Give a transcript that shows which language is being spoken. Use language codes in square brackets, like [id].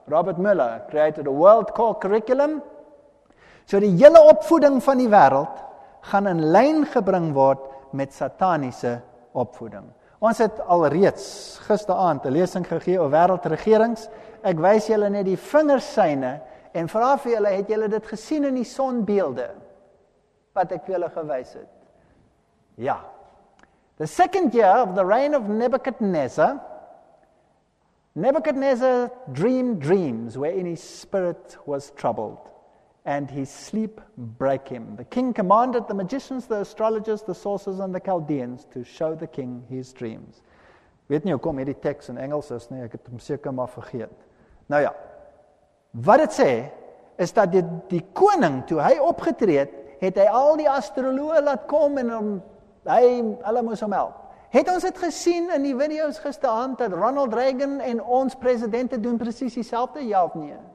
[af] Robert Miller [en] created a world core curriculum, [af] so die hele opvoeding van die wêreld gaan in lyn gebring word met sataniese opvoeding. Ons het alreeds gisteraand 'n lesing gegee oor wêreldregerings. Ek wys julle net die vingersyne en vra vir julle, het julle dit gesien in die sonbeelde wat ek vir julle gewys het? Ja. [en] The second year of the reign of Nebuchadnezzar, Nebuchadnezzar dreamed dreams wherein his spirit was troubled. And his sleep break him. The king commanded the magicians, the astrologers, the sorcerers, and the Chaldeans to show the king his dreams. [af] Weet nie hoekom hierdie teks in Engels is nie, ek het hom seker maar vergeet. Nou ja, wat het sê, is dat die koning, toe hy opgetreed, het hy al die astrologe laat kom, en hulle moes hom help. Het ons het gesien in die video's gisteraand, dat Ronald Reagan en ons presidente doen precies dieselfde, ja of nie?